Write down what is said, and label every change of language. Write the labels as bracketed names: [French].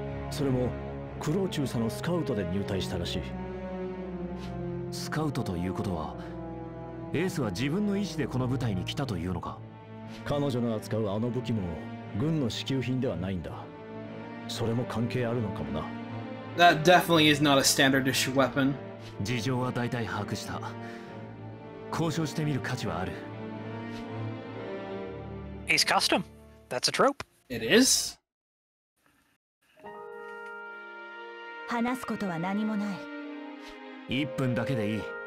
[Japanese] それもクローチューサのスカウトで入隊したらしい。スカウトということは、エースは自分の意思でこの部隊に来たというのか。彼女の扱うあの武器も軍の支給品ではないんだ。それも関係あるのかもな。 [English] That definitely is not a standard issue weapon. [Japanese] 事情は大体把握した。交渉してみる価値はある。 [English] It's custom. That's a trope. It is? [Japanese] 話すことは何もない。一分だけでいい。